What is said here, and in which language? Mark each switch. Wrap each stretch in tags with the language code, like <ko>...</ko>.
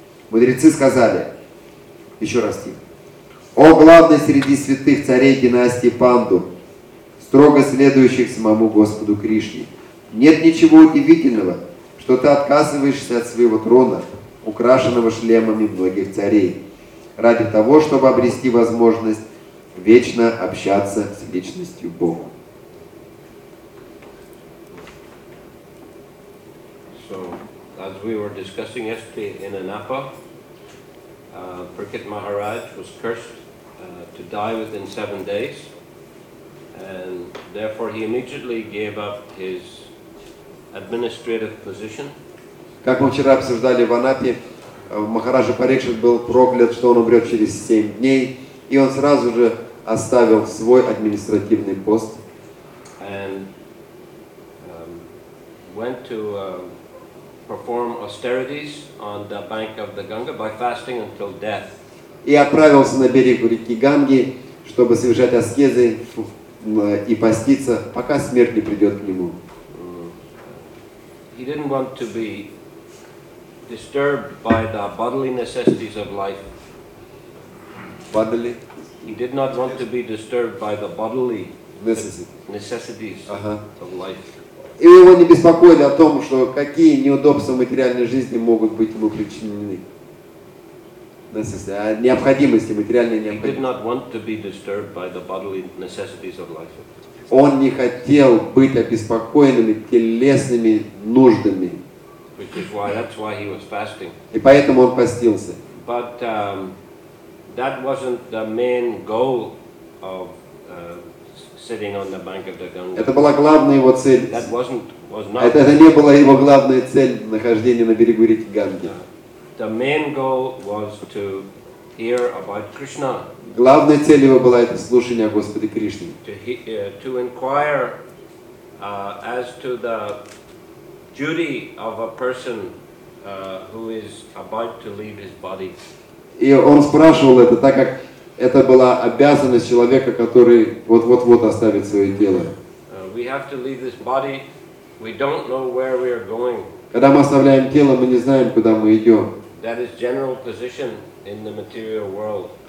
<ru>Мудрецы сказали, еще раз стих, «О главный среди святых царей династии Панду, строго следующих самому Господу Кришне, нет ничего удивительного, что ты отказываешься от своего трона, украшенного шлемами многих царей, ради того, чтобы обрести возможность вечно общаться с Личностью Бога».</ru> <en>So, as we were discussing yesterday in Anapa, Prakrit Maharaj was cursed to die within 7 days, and therefore he immediately gave up his administrative position.</en> <ru>Как мы вчера обсуждали в Анапе, Махараджа Парикшит был проклят, что он умрет через 7 дней, и он сразу же оставил свой административный пост.</ru> <en>And went to perform austerities on the bank of the Ganga by fasting until death.</en> <ru>И отправился на берег реки Ганги, чтобы совершать аскезы и поститься, пока смерть не придет к нему.</ru> <en>He didn't want to be disturbed by the bodily necessities of life. Bodily? He did not want to be disturbed by the bodily necessities of life.</en> <ru>И его не беспокоили о том, что какие неудобства материальной жизни могут быть ему причинены. Необходимости, материальные необходимости. Он не хотел быть обеспокоенными телесными нуждами. И поэтому он постился.</ru> <en>But that wasn't the main goal of sitting on the bank of the Ganga.</en> <ru>Это была главная его цель.</ru> <en>That wasn't, was not.</en> <ru>Это не была его главная цель нахождения на берегу реки Ганги.</ru> <en>The main goal was to hear about Krishna.</en> <ru>Главной целью его было это слушание о Господе Кришне.</ru> <en>To inquire as to the duty of a person who is about to leave his body.</en> <ru>И он спрашивал это, так как это была обязанность человека, который вот-вот-вот оставит свое тело.</ru> <en>We have to leave this body. We don't know where we are going.</en> <ru>Когда мы оставляем тело, мы не знаем, куда мы идем.</ru> <en>That is general position in the material world.</en>